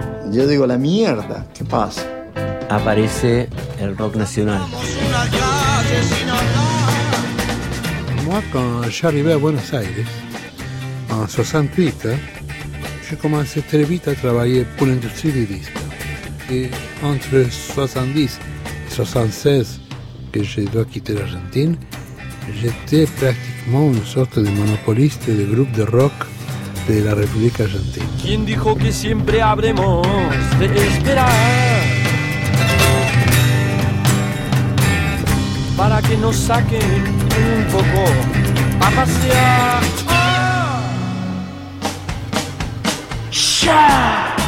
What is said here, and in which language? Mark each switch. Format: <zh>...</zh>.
<es>Yo digo, la mierda, ¿qué pasa? Aparece el rock nacional.</es> <fr>Moi,</fr> <es>cuando ya</es> <fr>arrivé</fr> <es>a Buenos Aires, en 68, yo comencé</es> <fr>très vite</fr> <es>a trabajar por la industria de disco. Y entre 70 y 76, que yo</es> <fr>dois quitter l'Argentine, j'étais pratiquement une sorte de monopoliste de groupe de rock de la République Argentine.</fr> <es>¿Quién dijo que siempre habremos de esperar? Para que nos saquen un poco a pasear. ¡Ah!</es>